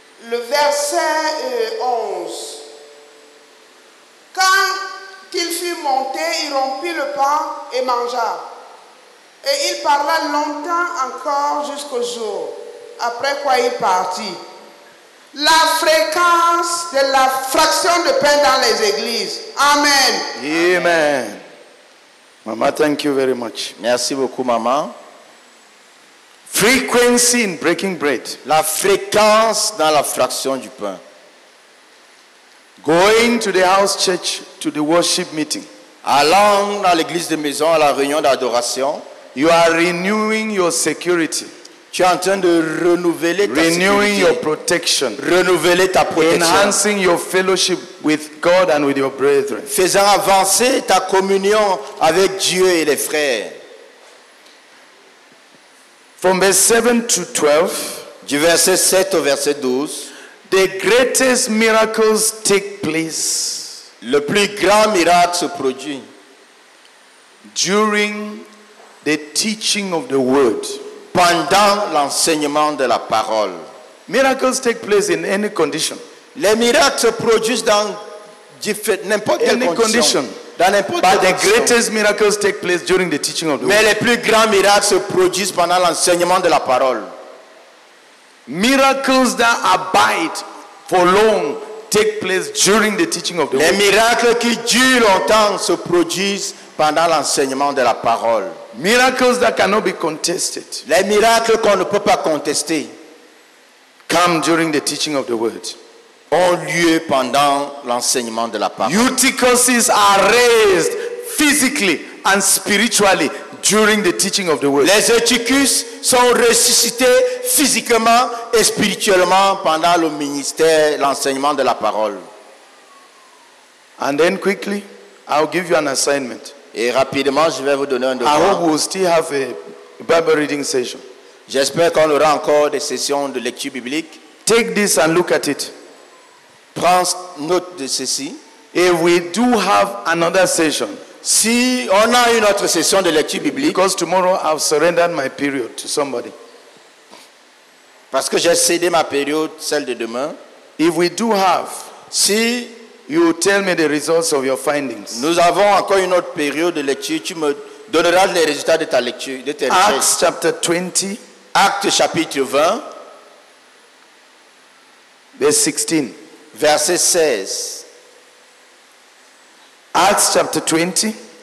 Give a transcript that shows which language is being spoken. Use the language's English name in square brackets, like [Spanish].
[French] Le verset 11. Quand il fut monté, il rompit le pain et mangea. Et il parla longtemps encore jusqu'au jour, après quoi il partit. La fréquence de la fraction de pain dans les églises. Amen. Amen. [English] Mama, thank you very much. [French] Merci beaucoup, maman. [English] Frequency in breaking bread. [French] La fréquence dans la fraction du pain. [English] Going to the house church to the worship meeting. [French] Allant dans l'église de maison à la réunion d'adoration. [English] You are renewing your security. [French] Tu es en train de renouveler ta [English] renewing [French] sécurité. [English] Renewing your protection. [French] Renouveler ta protection. [English] Enhancing your fellowship with God and with your brethren. [French] Faisant avancer ta communion avec Dieu et les frères. [English] From verse 7 to 12, [French] du verset 7 au verset 12, [English] the greatest miracles take place. [French] Le plus grand miracle se produit [English] during the teaching of the word. [French] Pendant l'enseignement de la parole. [English] Miracles take place in any condition. [French] Les miracles se produisent dans n'importe quelle condition. Dans n'importe quelle condition. [English] But the greatest miracles take place during the teaching of the [French] Mais [English] word. [French] Mais les plus grands miracles se produisent pendant l'enseignement de la parole. [English] Miracles that abide for long take place during the teaching of the word. [French] Les miracles qui durent longtemps se produisent pendant l'enseignement de la parole. [English] Miracles that cannot be contested. [French] Les miracles qu'on ne peut pas contester. [English] Come during the teaching of the word. [French] Ont lieu pendant l'enseignement de la parole. [English] Uticuses are raised physically and spiritually during the teaching of the word. [French] Les uticus sont ressuscités physiquement et spirituellement pendant le ministère, l'enseignement de la parole. [English] And then quickly, I'll give you an assignment. [French] Et rapidement, je vais vous donner un devoir. [English] I hope we'll still have a Bible reading session. [French] J'espère qu'on aura encore des sessions de lecture biblique. [English] Take this and look at it. [French] Prends note de ceci. [English] If we do have another session, [French] si on a une autre session de lecture biblique, [English] because tomorrow I've surrendered my period to somebody. [French] Parce que j'ai cédé ma période, celle de demain. [English] If we do have, [French] si [English] you tell me the results of your findings. [French] Nous avons encore une autre période de lecture. Tu me donneras les résultats de ta lecture, de tes recherches. [English] Acts chapter 20. [French] Actes chapitre 20. [English] Verse 16. [French] Verset 16. [English] Acts chapter 20.